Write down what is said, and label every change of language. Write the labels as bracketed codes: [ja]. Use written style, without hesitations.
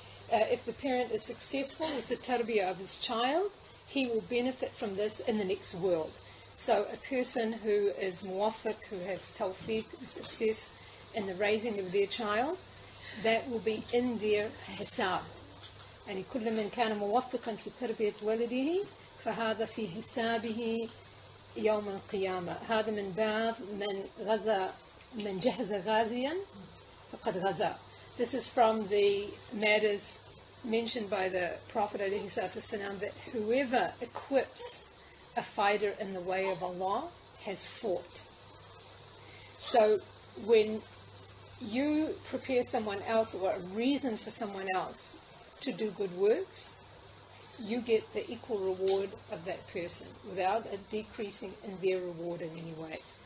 [en] If the parent is successful with the tarbiyah of his child, he will benefit from this in the next world. So a person who is muwafiq, who has tawfiq, success in the raising of their child, that will be in their hisab. [ar] And كل من كان موفقا في تربية ولده فهذا في حسابه يوم القيامة. هذا من باب من غزا من جهز غازيا فقد غزا. [en] This is from the matters mentioned by the Prophet [ar] عليه الصلاة والسلام [en] that whoever equips a fighter in the way of Allah has fought. So when you prepare someone else or a reason for someone else to do good works, you get the equal reward of that person without a decreasing in their reward in any way.